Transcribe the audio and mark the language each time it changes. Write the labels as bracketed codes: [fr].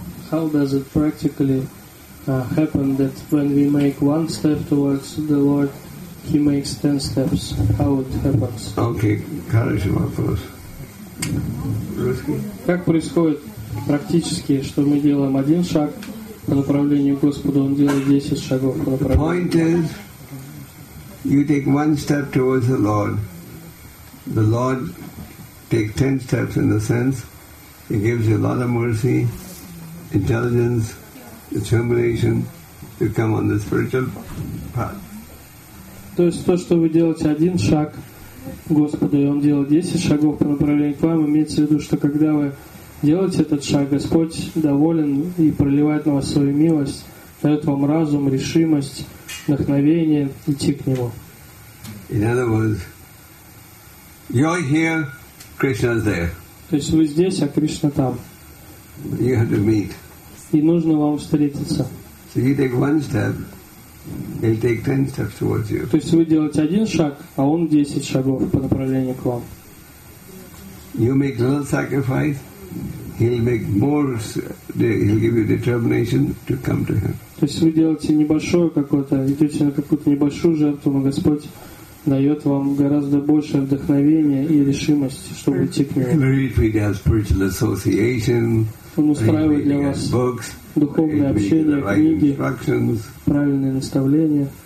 [en] How does it practically happen that when we make one step towards the Lord, He makes 10 steps? How it happens? [ru] Okay, хороший вопрос. Как происходит практически, что мы делаем один шаг по направлению к Господу, Он делает 10 шагов по направлению? [en] The point is, you take one step towards the Lord takes 10 steps in the sense, He gives you a lot of mercy, intelligence, determination to come on the spiritual path. [ru] То есть то, что вы делаете один шаг Господу, и Он делает 10 шагов по направлению к вам, имеется в виду, что когда вы делаете этот шаг, Господь доволен и проливает на вас свою милость, дает вам разум, решимость, вдохновение идти к Нему. [en] In other words, you're here, Krishna's there. [ru] То есть вы здесь, а Кришна там. [en] You have to meet. [ru] И нужно вам встретиться. [en] So you take one step, he'll take 10 steps towards you. [ru] То есть вы делаете один шаг, а он 10 шагов по направлению к вам. [en] You make a little sacrifice, he'll give you determination to come to him. [ru] То есть вы делаете небольшое какое-то, идете на какую-то небольшую жертву, но Господь дает вам гораздо больше вдохновения и решимости, чтобы идти к нему. [en] Maybe spiritual association. [ru] Он устраивает для вас [en] books, [ru] духовное общение, книги, правильные наставления,